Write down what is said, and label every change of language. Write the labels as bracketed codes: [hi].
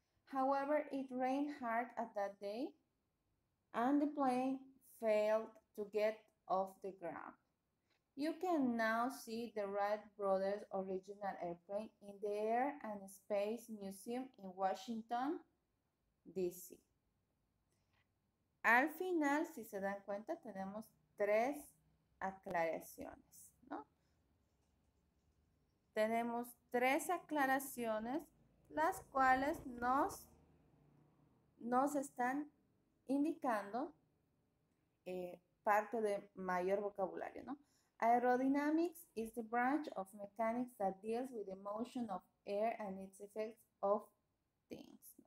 [en] However, it rained hard at that day and the plane failed to get off the ground. You can now see the Wright Brothers' original airplane in the Air and Space Museum in Washington, D.C. [es] Al final, si se dan cuenta, tenemos tres aclaraciones, ¿no? Tenemos tres aclaraciones, las cuales nos están indicando parte de mayor vocabulario, ¿no? [en] Aerodynamics is the branch of mechanics that deals with the motion of air and its effects of things.